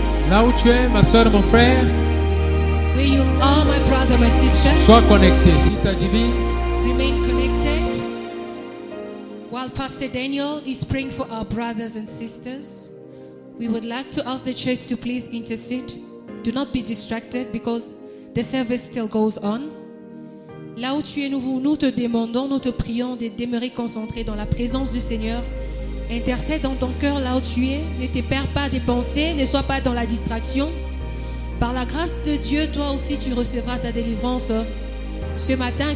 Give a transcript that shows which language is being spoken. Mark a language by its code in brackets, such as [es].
[fr] Là où tu es, ma soeur, mon frère. [en] Where you are, my brother, my sister. [fr] Sois connecté, sister divine. [en] Remain connected while Pastor Daniel is praying for our brothers and sisters. We would like to ask the church to please intercede. Do not be distracted because the service still goes on. [fr] Là où tu es, nous te demandons, nous te prions de demeurer concentré dans la présence du Seigneur. Intercède dans ton cœur là où tu es. Ne te perds pas des pensées, ne sois pas dans la distraction. Par la grâce de Dieu, toi aussi tu recevras ta délivrance ce matin.